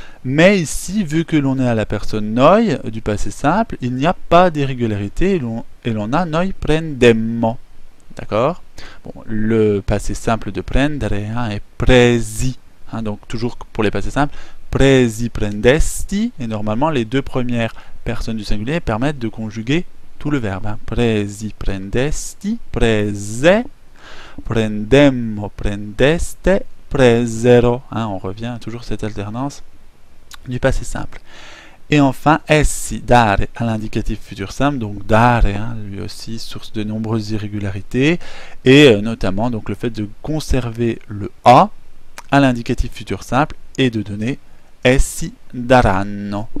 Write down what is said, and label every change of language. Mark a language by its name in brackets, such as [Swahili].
[French] Mais ici, vu que l'on est à la personne noi du passé simple, il n'y a pas d'irrégularité et l'on a [Italian] noi prendemmo. [French] D'accord? Bon, le passé simple de prendere, hein, est presi. Hein, donc, toujours pour les passés simples, [Italian] presi prendesti. [French] Et normalement, les deux premières personnes du singulier permettent de conjuguer tout le verbe. Hein. [Italian] Presi prendesti, prese, prendemmo prendeste, presero. [French] Hein, on revient à toujours cette alternance du passé simple. Et enfin, essi, dare, à l'indicatif futur simple, donc dare, hein, lui aussi source de nombreuses irrégularités, et notamment donc le fait de conserver le a à l'indicatif futur simple et de donner [Italian] essi daranno.